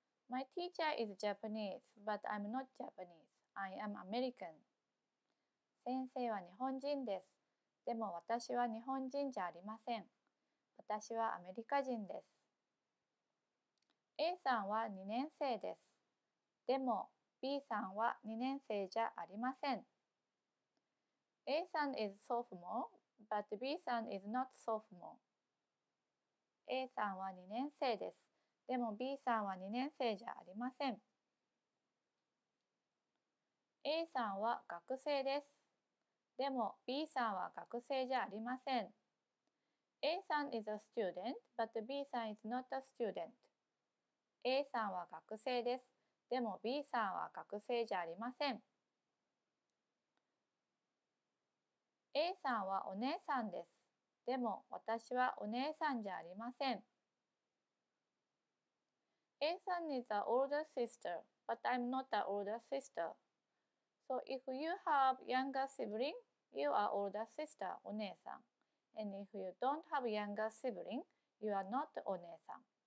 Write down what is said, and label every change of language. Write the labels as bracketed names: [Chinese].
[English] My teacher is Japanese, but I'm not Japanese. I am American. [Japanese] 先生は日本人です。でも私は日本人じゃありません。私はアメリカ人です。 A さんは2年生です。でも B さんは2年生じゃありません。 [English] A さん is sophomore, but B さん is not sophomore. [Japanese] A さんは2年生です。でも B さんは2年生じゃありません。 A さんは学生です。でも B さんは学生じゃありません。 [English] A さん is a student, but B さん is not a student. [Japanese] A さんは学生です。でも B さんは学生じゃありません。 A さんはお姉さんです。でも私はお姉さんじゃありません。 [English] A さん is an older sister, but I'm not an older sister. So if you have younger sibling, you are older sister, お姉さん。 And if you don't have younger sibling, you are not お姉さん。